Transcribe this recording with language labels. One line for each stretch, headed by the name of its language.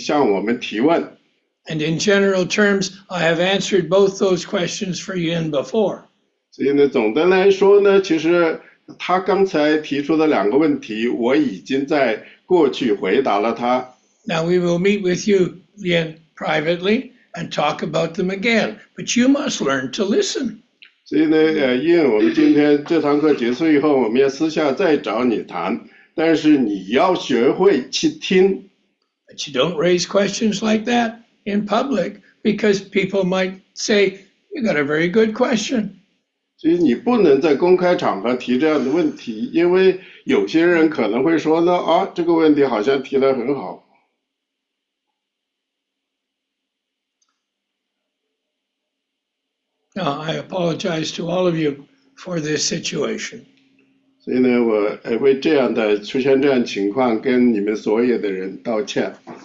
Chinese: 教导关于他现在所学习的这些东西，他也不能通过他现在学习的东西向我们提问。
English: And in general terms, I have answered both those questions for Yin before.
Chinese: 所以呢，总的来说呢，其实他刚才提出的两个问题，我已经在过去回答了他。
English: Now we will meet with you, Yin, privately. and talk about them again, but you must learn to listen.
Chinese: 所以呢，因为我们今天这堂课结束以后，我们要私下再找你谈，但是你要学会去听。
English: But you don't raise questions like that in public because people might say, you got a very good question.
Chinese: 所以你不能在公开场合提这样的问题，因为有些人可能会说呢，啊，这个问题好像提得很好。
English: Now, I apologize to all of you for this situation.
Chinese: 所以呢，我为这样的出现这样情况跟你们所有的人道歉。